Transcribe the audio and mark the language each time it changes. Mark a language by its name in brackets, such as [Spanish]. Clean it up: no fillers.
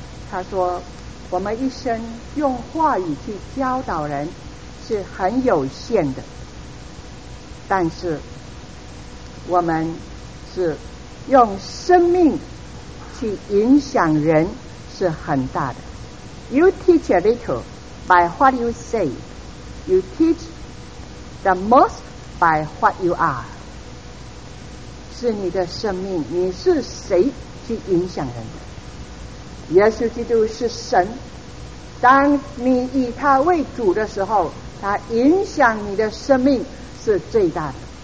[Chinese] 他说我们一生用话语去教导人是很有限的，但是我们是用生命去影响人是很大的。 [English] You teach a little by what you say, you teach the most by what you are。 [Chinese] 是你的生命，你是谁去影响人的。耶稣基督是神，当你以他为主的时候，他影响你的生命是最大的。